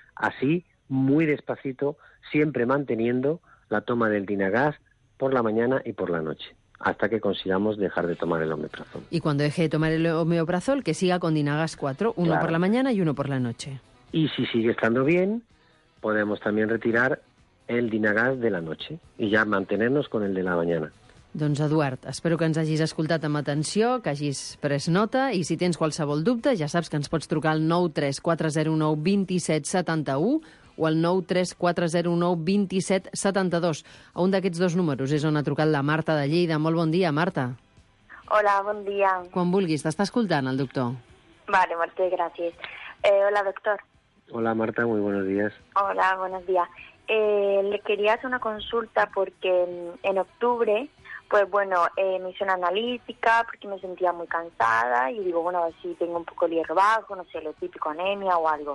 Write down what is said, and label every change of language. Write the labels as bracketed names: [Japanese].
[Spanish] Así, muy despacito, siempre manteniendo la toma del Dinagas por la mañana y por la noche, hasta que consigamos dejar de tomar el omeprazol. Y cuando deje de tomar el omeprazol, que siga con Dinagas 4, uno por la mañana y uno por la noche. Y si sigue estando bien, podemos también retirar el Dinagas de la noche y ya mantenernos con el de la mañana. [Catalan] Doncs, Eduard, espero que ens hagis escoltat amb atenció, que hagis pres nota, i si tens qualsevol dubte, ja saps que ens pots trucar al 93409-2771 o al 93409-2772. A un d'aquests dos números és on ha trucat la Marta de Lleida. Molt bon dia, Marta. Hola, bon dia. Quan vulguis, t'està escoltant el doctor. Vale, moltes gràcies. Hola, doctor. [Spanish] Hola, Marta, muy buenos días. Hola, buenos días. Le quería hacer una consulta porque en octubre, pues bueno, me hice una analítica porque me sentía muy cansada y digo, bueno, a ver si tengo un poco de hierro bajo, no sé, lo típico, anemia o algo.